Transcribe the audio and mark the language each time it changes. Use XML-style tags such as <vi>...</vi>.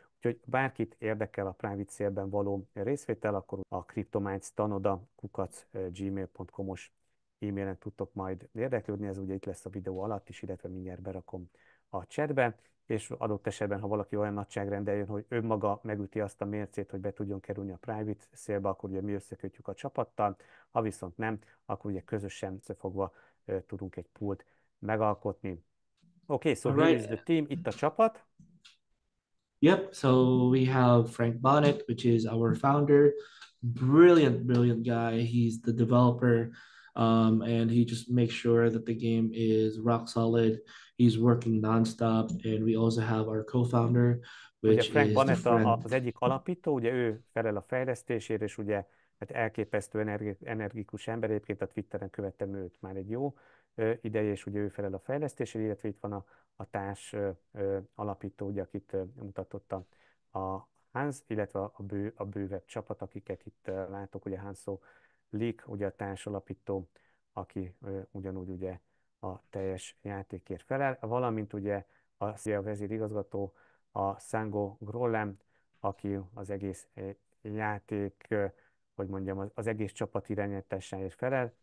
<hu>Úgyhogy bárkit érdekel a private sale-ben való részvétel, akkor a kriptomindstanoda@gmail.com-os e-mailen tudtok majd érdeklődni, ez ugye itt lesz a videó alatt is, illetve mindjárt berakom a chatbe, és adott esetben, ha valaki olyan nagyságrendel jön, hogy önmaga megüti azt a mércét, hogy be tudjon kerülni a private sale-be, akkor ugye mi összekötjük a csapattal, ha viszont nem, akkor ugye közösen összefogva tudunk egy pult megalkotni.</hu> <en>Okay, so here is the team,</en> <hu>itt a csapat.</hu> <en>Yep, so we have Frank Bonnet, which is our founder, brilliant, brilliant guy. He's the developer, and he just makes sure that the game is rock solid. He's working nonstop, and we also have our co-founder, which</en> <hu>ugye Frank</hu> <en>is Bonnet friend.</en> <hu>Az egyik alapító, ugye ő felel a fejlesztésért, és ugye hát elképesztő energikus ember, egyébként a Twitteren követtem őt már egy jó ideje, és ugye ő felel a fejlesztésért, illetve itt van a társ alapító, ugye, akit mutatott a Hans, illetve a bővebb csapat, akiket itt látok, ugye Hanso Lik, ugye a társ alapító, aki ugyanúgy ugye a teljes játékért felel, valamint ugye a vezérigazgató, a Sango Grollem, aki az egész játék, hogy mondjam, az egész csapat irányításáért felel.</hu>